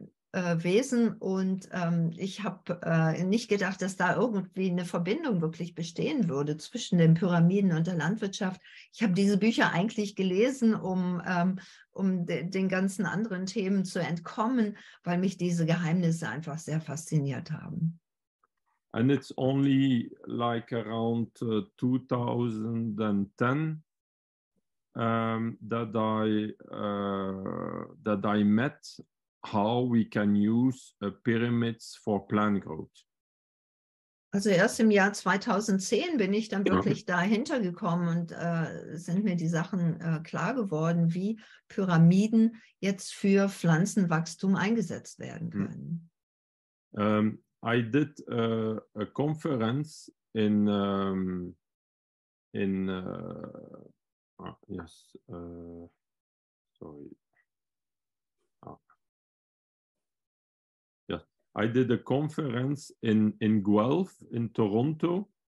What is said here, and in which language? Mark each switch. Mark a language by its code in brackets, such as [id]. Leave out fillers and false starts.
[de] Wesen und ich habe nicht gedacht, dass da irgendwie eine Verbindung wirklich bestehen würde zwischen den Pyramiden und der Landwirtschaft. Ich habe diese Bücher eigentlich gelesen, um den ganzen anderen Themen zu entkommen, weil mich diese Geheimnisse einfach sehr fasziniert haben. [en] And it's only like around 2010 that I met how we can use pyramids for plant growth. [de] Also erst im Jahr 2010 bin ich dann wirklich dahinter gekommen und sind mir die Sachen klar geworden, wie Pyramiden jetzt für Pflanzenwachstum eingesetzt werden können. [en] I did a conference in Guelph, in Toronto,